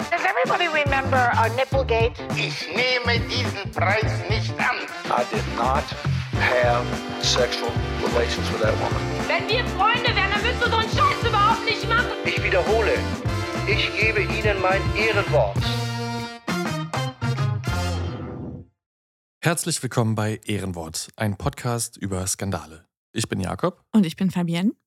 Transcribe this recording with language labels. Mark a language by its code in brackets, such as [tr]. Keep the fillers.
[en] Does everybody remember our Nipplegate? [de] Ich nehme diesen Preis nicht an. [en] I did not have sexual relations with that woman. [de] Wenn wir Freunde wären, dann müsstest du so Scheiß überhaupt nicht machen. Ich wiederhole. Ich gebe Ihnen mein Ehrenwort. Herzlich willkommen bei Ehrenwort, ein Podcast über Skandale. Ich bin Jakob. Und ich bin Fabienne.